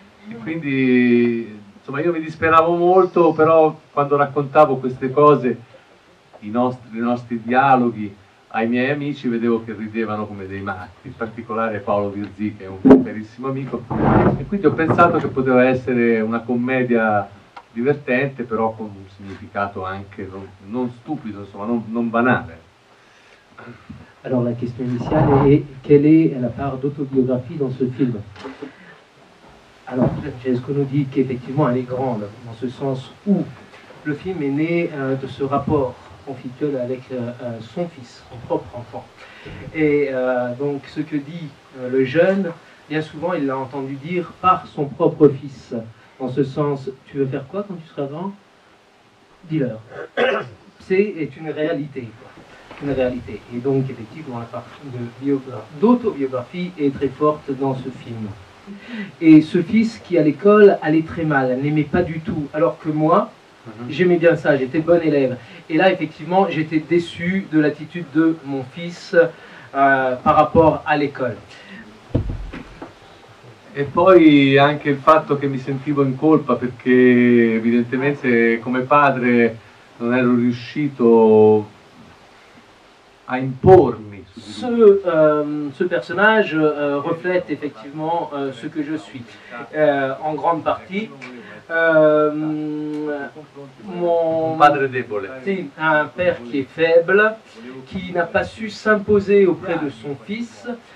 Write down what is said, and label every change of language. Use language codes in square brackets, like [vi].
[it] E quindi, insomma, io mi disperavo molto, però quando raccontavo queste cose, i nostri dialoghi ai miei amici, vedevo che ridevano come dei matti, in particolare Paolo Virzì, che è un carissimo amico, e quindi ho pensato che poteva essere una commedia divertente, però con un significato anche non stupido, insomma, non banale. Allora, la questione iniziale è: qual è la part d'autobiografia in questo film? [fr] Allora, Francesco nous dit qu'effectivement elle est grande, dans ce sens où le film est né de ce rapport conflictuel avec son fils, son propre enfant. Et donc, ce que dit le jeune, bien souvent, il l'a entendu dire par son propre fils. Dans ce sens, tu veux faire quoi quand tu seras grand? Dis-leur. C'est une réalité. Une réalité. Et donc, effectivement, la part d'autobiographie est très forte dans ce film. Et ce fils qui, à l'école, allait très mal, n'aimait pas du tout, alors que moi, j'aimais bien ça, j'étais bon élève. Et là, effectivement, j'étais déçu de l'attitude de mon fils par rapport à l'école. [it] E poi anche il fatto che mi sentivo in colpa perché evidentemente come padre non ero riuscito a impormi. [fr] Ce personnage reflète effectivement ce que je suis en grande partie. [it] Un padre debole. [fr] Sì, un père qui est faible, qui n'a pas su s'imposer auprès de son fils.